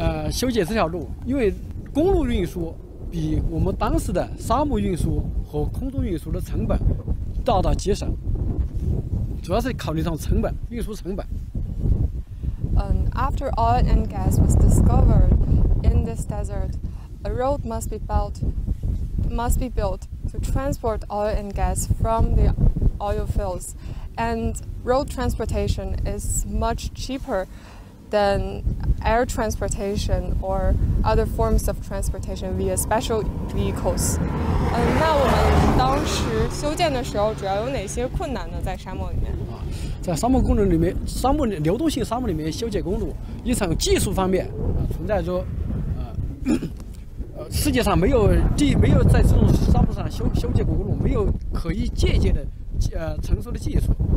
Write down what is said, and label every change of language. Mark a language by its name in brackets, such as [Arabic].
[Chinese] 修建这条路，因为公路运输比我们当时的沙漠运输和空中运输的成本大大节省，主要是考虑到成本，运输成本。 [English] After oil and gas was discovered in this desert, a road must be built to transport oil and gas from the oil fields, and road transportation is much cheaper than air transportation or other forms of transportation via special vehicles. [Chinese] 那我们当时修建的时候主要有哪些困难呢？在沙漠里面？在沙漠工程里面，沙漠流动性沙漠里面修建公路，一场技术方面存在着世界上没有在这种沙漠上修建过公路，没有可以借鉴的成熟的技术。